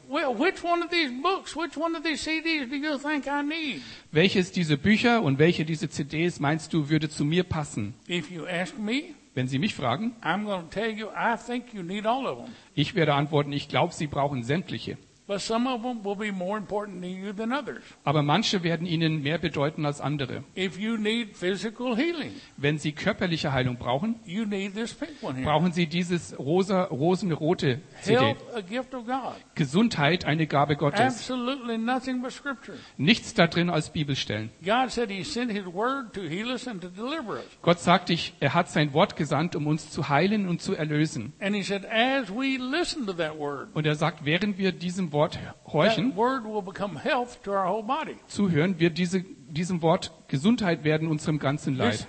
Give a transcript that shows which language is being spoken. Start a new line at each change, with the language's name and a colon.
English: Well, which one of these books, which one of these CDs do you think I need?
German: Welches diese Bücher und welche diese CDs meinst du würde zu mir passen?
English: If you ask me,
German: wenn Sie mich fragen,
English: I'm going to tell you, I think you need all of them.
German: Ich werde antworten, ich glaube, Sie brauchen sämtliche.
English: But some of them will be more important to you than others.
German: Aber manche werden Ihnen mehr bedeuten als andere.
English: If you need physical healing,
German: wenn Sie körperliche Heilung brauchen,
English: you need this pink one here.
German: Brauchen Sie dieses rosa, rosenrote CD.
English: Health, a gift of God.
German: Gesundheit, eine Gabe Gottes.
English: Absolutely nothing but scripture.
German: Nichts da drin als Bibelstellen.
English: God said he sent his word to heal us and to deliver us.
German: Gott sagt, er hat sein Wort gesandt, um uns zu heilen und zu erlösen.
English: And he said, as we listen to that word,
German: und er sagt, während wir diesem Wort horchen,
English: that word will become health to our whole body.
German: Zuhören wird diesem Wort Gesundheit werden unserem ganzen Leib.